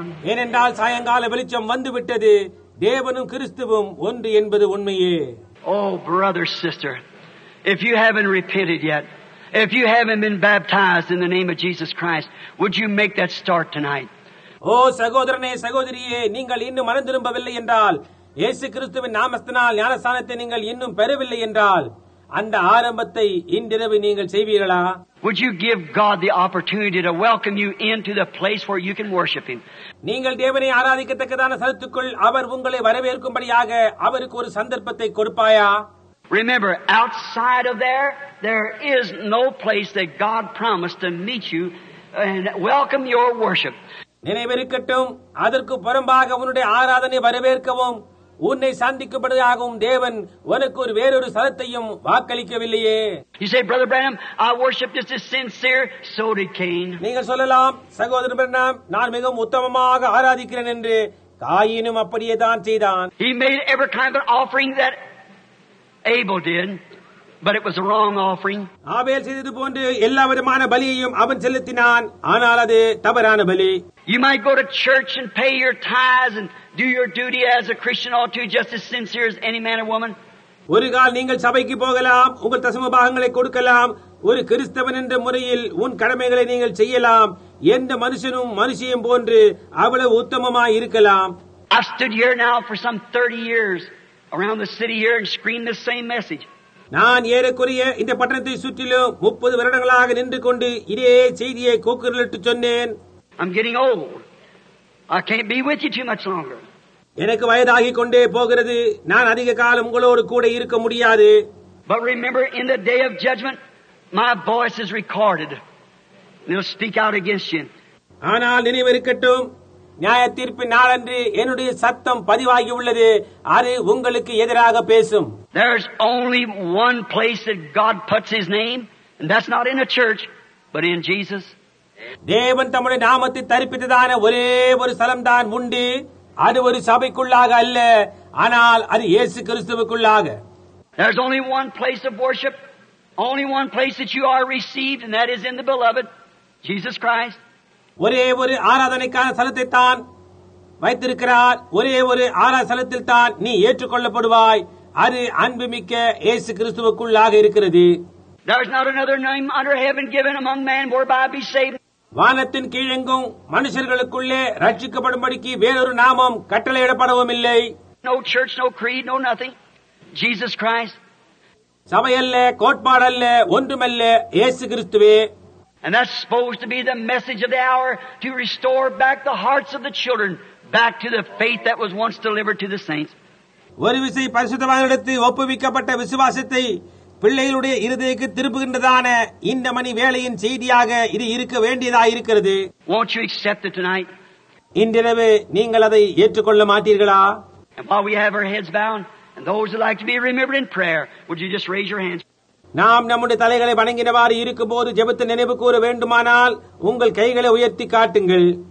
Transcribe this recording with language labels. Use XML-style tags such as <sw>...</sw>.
<ta>ஏனென்றால் சாயங்கால வெளிச்சம் வந்துவிட்டது, தேவனும் கிறிஸ்துவும் ஒன்று என்பது உண்மையே.</ta> <en>Oh brother, sister, if you haven't repented yet, If you haven't been baptized in the name of Jesus Christ, would you make that start tonight?</en> <ta>Oh, சகோதரனே சகோதரியே, நீங்கள் இன்னும் மனந்திரும்பவில்லை என்றால், இயேசு கிறிஸ்துவின் நாமத்தினால் ஞானஸ்நானத்தை நீங்கள் இன்னும் பெறவில்லை என்றால், அந்த ஆரம்பத்தை இன்றிரவு நீங்கள் செய்வீர்களா?</ta> <en>Would you give God the opportunity to welcome you into the place where you can worship Him?</en> <ta>நீங்கள் தேவனை ஆராதிக்கத்தக்கதான ஸ்தலத்துக்குள் அவர் உங்களை வரவேற்கும்படியாக அவருக்கு ஒரு சந்தர்ப்பத்தை கொடுப்பாயா?</ta> <en>Remember, outside of there is no place that God promised to meet you and welcome your worship.</en> <ta>நினைவிருக்கட்டும், அதற்கு புறம்பாக உன்னுடைய ஆராதனை வரவேற்கவும் உன்னை சந்திக்கும்படியாகவும் தேவன் உனக்கு ஒரு வேறொரு ஸ்தலத்தையும் வாக்களிக்கவில்லையே.</ta> <en>You say, Brother Branham, I worship just as sincere. So did Cain.</en> <ta>நீங்கள் சொல்லலாம், சகோதரன் பிரானம், நான் மிகவும் உத்தமமாக ஆராதிக்கிறேன் என்று. காயினும் அப்படியே தான் செய்தான்.</ta> <en>He made every kind of offering that Abel did, but it was a wrong offering.</en> <ta>ஆபேல் செய்தது போன்று எல்லா விதமான பலியையும் அவன் செலுத்தினான், ஆனால் அது தவறான பலி.</ta> <en>You might go to church and pay your tithes and do your duty as a Christian ought to, just as sincere as any man or woman.</en> <ta>ஒரு கால் நீங்கள் சபைக்கு போகலாம், உங்கள் தசம பாகங்களை கொடுக்கலாம், ஒரு கிறிஸ்தவன் என்ற முறையில் உன் கடமைகளை நீங்கள் செய்யலாம், எந்த மனுஷனும் மனுஷியும் போன்று அவ்வளவு உத்தமமாய் இருக்கலாம்.</ta> <en>I stood here now for some 30 years around the city here and screamed the same message.</en> <ta>நான் ஏறக்குறைய இந்த பட்டணத்தை சுற்றிலும் 30 வருடங்களாக நின்று கொண்டு இதே செய்தியை கூக்குரலிட்டு சொன்னேன்.</ta> <en>I'm getting old. I can't be with you too much longer.</en> <ta>எனக்கு வயதாகி கொண்டே போகிறது, நான் அதிக காலம் உங்களோடு கூட இருக்க முடியாது.</ta> <en>But remember, in the day of judgment, my voice is recorded. And it'll speak out against you.</en> <ta>ஆனால் நினைவிருக்கட்டும், நியாய தீர்ப்பின் நாளன்று என்னுடைய சத்தம் பதிவாகி உள்ளது, அது உங்களுக்கு எதிராக பேசும்.</ta> <en>There's only one place that God puts His name, and that's not in a church, but in Jesus.</en> <ta>தேவன் தம்முடைய நாமத்தை தரிப்பித்ததான ஒரே ஒரு ஸ்தலம்தான் உண்டு, அது ஒரு சபைக்குள்ளாக அல்ல, ஆனால் அது இயேசு கிறிஸ்துவுக்குள்ளாக.</ta> <en>There's only one place of worship, only one place that you are received, and that is in the beloved, Jesus Christ.</en> <ta>ஒரே ஒரு ஆராதனைக்கான ஸ்தலத்தை தான் வைத்திருக்கிறார், ஒரே ஒரு ஆராதனத்தில் தான் நீ ஏற்றுக்கொள்ளப்படுவாய், அது அன்புமிக்க இயேசு கிறிஸ்துவுக்குள்ளாக இருக்கிறது.</ta> <en>There is not another name under heaven given among man whereby be saved.</en> <ta>வானத்தின் கீழெங்கும் மனுஷர்களுக்குள்ளே ரட்சிக்கப்படும்படிக்கு வேறொரு நாமம் கட்டளையிடப்படவும் இல்லை.</ta> <en>No church, no creed, no nothing. Jesus Christ.</en> <ta>சபையல்ல, கோட்பாடல்ல, ஒன்றுமல்ல, இயேசு கிறிஸ்துவே.</ta> <en>And that's supposed to be the message of the hour, to restore back the hearts of the children back to the faith that was once delivered to the saints.</en> <ta>ஒரு விசை பரிசுத்தவான்களுக்கு ஒப்புவிக்கப்பட்ட விசுவாசத்தை பிள்ளைகளுடைய இருதயக்கு திருப்புகின்றதான இந்த மணி வேளையின் செய்தியாக இது இருக்க வேண்டியதாக இருக்கிறது.</ta> <en>Won't you accept it tonight?</en> <ta>இன்றிரவு நீங்கள் அதை ஏற்றுக்கொள்ள மாட்டீர்களா?</ta> <en>And while we have our heads bound, and those who like to be remembered in prayer, would you just raise your hands?</en> <ta>நாம் நம்முடைய தலைகளை வணங்கினவாறு இருக்கும்போது ஜெபத்தை நினைவு கூற வேண்டுமானால் உங்கள் கைகளை உயர்த்தி காட்டுங்கள்.</ta>